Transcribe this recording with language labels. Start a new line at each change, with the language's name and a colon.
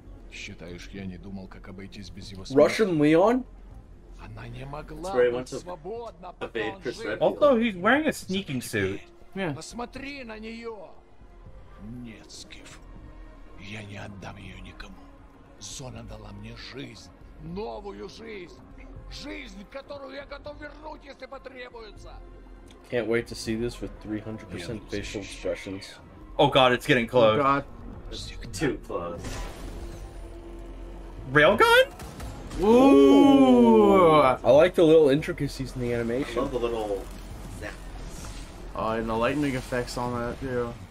Russian: Считаешь, я не думал, как обойтись без его смерти.
English: Russian Leon? That's where he went to свободно, evade Chris Redfield. Although he's wearing a sneaking suit.
Russian: Yeah. Посмотри на нее. Нет, Скиф. Я не отдам ее никому. Зона дала мне жизнь. Новую жизнь. Жизнь, которую я готов вернуть, если потребуется.
English: Can't wait to see this with 300% facial expressions. Oh god, it's getting close. Oh god. Too close. Railgun? Ooh! I like the little intricacies in the animation. I love the little zaps. Oh, and the lightning effects on that too.